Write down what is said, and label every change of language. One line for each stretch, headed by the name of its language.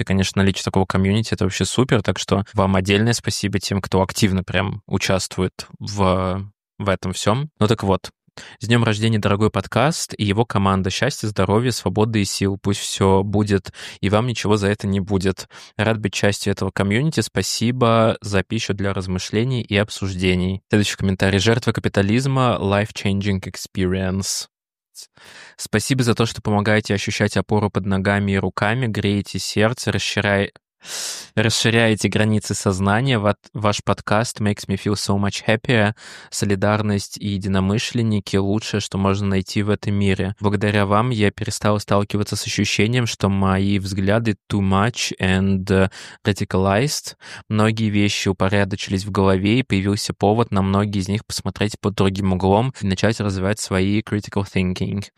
Russian: И, конечно, наличие такого комьюнити — это вообще супер. Так что вам отдельное спасибо тем, кто активно прям участвует в этом всем. Ну так вот, С днем рождения, дорогой подкаст и его команда. Счастья, здоровья, свободы и сил. Пусть все будет, и вам ничего за это не будет. Рад быть частью этого комьюнити. Спасибо за пищу для размышлений и обсуждений. Следующий комментарий. Жертва капитализма.
English: Life-changing experience.
Russian: Спасибо за то, что помогаете ощущать опору под ногами и руками, греете сердце, расширяете границы сознания. Ваш подкаст
English: makes me feel so much happier.
Russian: Солидарность и единомышленники — лучшее, что можно найти в этом мире. Благодаря вам я перестал сталкиваться с ощущением, что мои взгляды
English: too much and radicalized.
Russian: Многие вещи упорядочились в голове, и появился повод на многие из них посмотреть под другим углом и начать развивать свои
English: critical thinking.